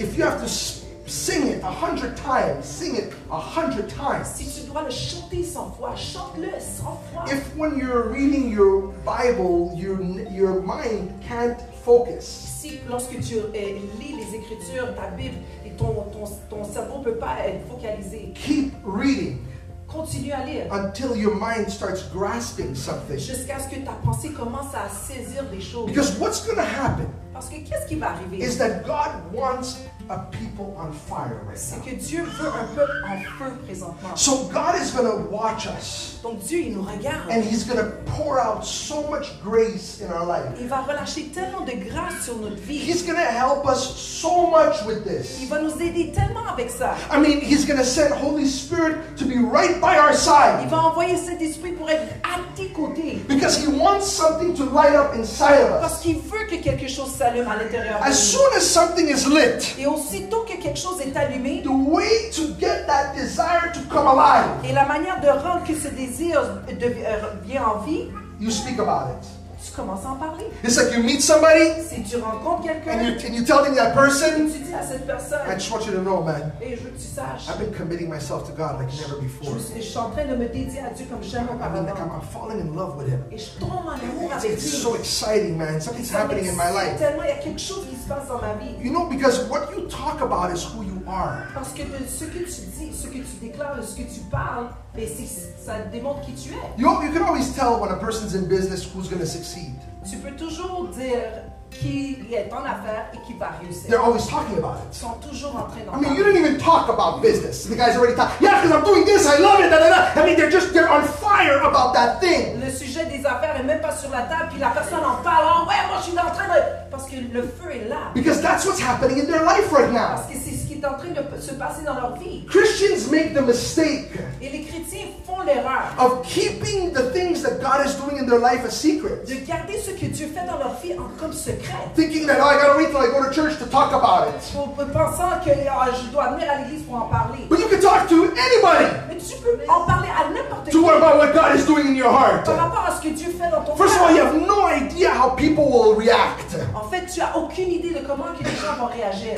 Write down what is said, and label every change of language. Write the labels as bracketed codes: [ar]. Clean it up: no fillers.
[en] If you have to sing it 100 times, sing it 100 times. [fr] Si tu dois le chanter 100 fois, chante-le 100 fois. [en] If when you're reading your Bible, your mind can't focus. [fr] Si lorsque tu lis les Écritures, ta Bible, et ton cerveau peut pas être focalisé. [en] Keep reading. [fr] Continue à lire. [en] Until your mind starts grasping something. [fr] Jusqu'à ce que ta pensée commence à saisir des choses. [en] Because what's going to happen? [fr] Parce que qu'est-ce qui va arriver? [en] Is that God wants a people on fire right now. [fr] C'est que Dieu veut un peuple en feu présentement. [en] So God is going to watch us. [fr] Donc Dieu, il nous regarde. [en] And He's going to pour out so much grace in our life. [fr] Il va relâcher tellement de grâce sur notre vie. [en] He's going to help us so much with this. [fr] Il va nous aider tellement avec ça. [en] I mean, He's going to send Holy Spirit to be right by our side. [fr] Il va envoyer cet esprit pour être à tes côtés. [en] Because He wants something to light up inside of us. [fr] Parce qu'il veut que quelque chose s'allume à l'intérieur. [en] As soon as something is lit. [fr] Et aussitôt que quelque chose est allumé, [en] the way to get that desire to come alive. [fr] Et la manière de rendre que ce désir vient en vie, [en] you speak about it. [fr] Tu commences à en parler. [en] It's like you meet somebody, [fr] si tu rencontres quelqu'un, [en] and you're telling that person, [fr] tu dis à cette personne, [en] I just want you to know, man. [fr] Et je veux que tu saches, [en] I've been committing myself to God like never before. [fr] Je suis en train de me dédier à Dieu comme jamais auparavant. [en] I'm falling in love with Him. [fr] Et je tombe en amour avec [en] Dieu. It's so exciting, man. Something's happening in my life. [fr] Tellement, il y a quelque chose qui se passe dans ma vie. [en] You know, because what you talk about is who you are. [fr] Parce que ce que tu dis, ce que tu déclares, ce que tu parles, ça démontre qui tu es. [en] You can always tell when a person's in business who's going to succeed. [fr] Tu peux toujours dire qui est en affaire et qui va réussir. [en] They're always talking about it. [fr] Ils sont toujours en train d'en parler. [en] I mean, you didn't even talk about business. The guy's already talking. Yeah, because I'm doing this. I love it. Da, da, da. I mean, they're on fire about that thing. [fr] Le sujet des affaires est même pas sur la table puis la personne en parle. Oh, ouais, moi je suis en train de. Parce que le feu est là. [en] Because that's what's happening in their life right now. [fr] Parce que c'est ce qui est en train de se passer dans leur vie. [en] Christians make the mistake. [fr] Et les chrétiens font l'erreur. [en] Of keeping the things that God is doing in their life a secret. [fr] De garder ce que Dieu fait dans leur vie en comme secret. [en] Thinking that, oh, I gotta wait till I go to church to talk about it. [fr] Pour pensant que je dois venir à l'église pour en parler. [en] But you can talk to anybody. [fr] Mais tu peux en parler à n'importe qui. [en] To worry about what God is doing in your heart. [fr] Par rapport à ce que Dieu fait dans ton cœur. [en] First of all, you have no idea how people will react. [fr] En fait, tu as aucune idée de comment que les gens vont réagir.